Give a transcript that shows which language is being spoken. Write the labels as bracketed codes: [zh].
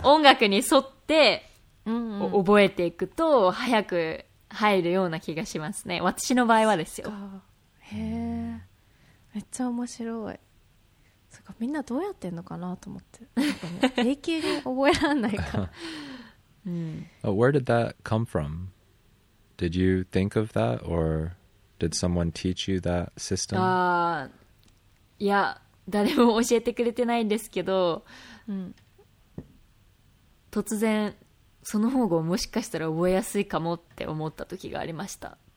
[ja] 音楽に沿って覚えていくと早く入るような気がしますね、私の場合はですよ。へえ、めっちゃ面白い。そっか、みんなどうやってんのかなと思って、永久に覚えられないから [en] 、Where did that come from? Did you think of that orDid someone teach you that system? [ja] いや、誰も教えてくれてないんですけど、突然その方がもしかしたら覚えやすいかもって思った時がありました。